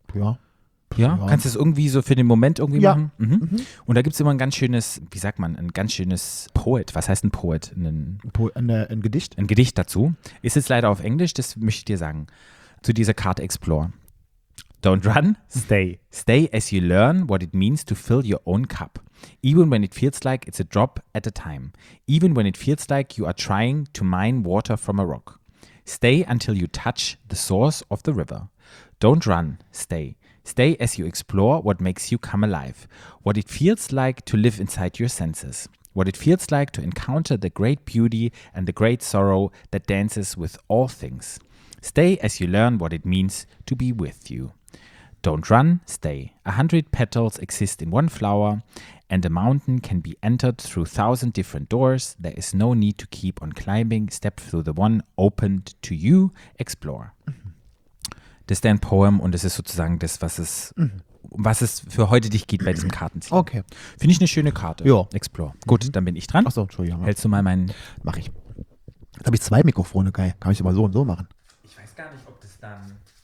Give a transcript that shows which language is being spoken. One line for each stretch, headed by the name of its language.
German: Ja. Ja? Kannst du das irgendwie so für den Moment irgendwie machen? Mhm. Mhm. Und da gibt es immer ein ganz schönes, wie sagt man, ein ganz schönes Poet. Was heißt ein Poet? Ein Gedicht? Ein Gedicht dazu. Ist jetzt leider auf Englisch, das möchte ich dir sagen. Zu dieser Karte Explore.
English: Don't run, stay. Stay as you learn what it means to fill your own cup. Even when it feels like it's a drop at a time. Even when it feels like you are trying to mine water from a rock. Stay until you touch the source of the river. Don't run, stay. Stay as you explore what makes you come alive. What it feels like to live inside your senses. What it feels like to encounter the great beauty and the great sorrow that dances with all things. Stay as you learn what it means to be with you. Don't run, stay. 100 petals exist in one flower, and a mountain can be entered through 1,000 different doors. There is no need to keep on climbing. Step through the one opened to you. Explore.
German: Das ist dein Poem und das ist sozusagen das, was es für heute dich geht bei diesem Kartenziehen. Okay. Finde ich eine schöne Karte. Ja. Explore. Gut, dann bin ich dran. Achso, Entschuldigung. Hältst du mal meinen. Mach ich. Jetzt habe ich zwei Mikrofone, geil. Kann ich aber so und so machen. Ich weiß gar nicht, ob das dann.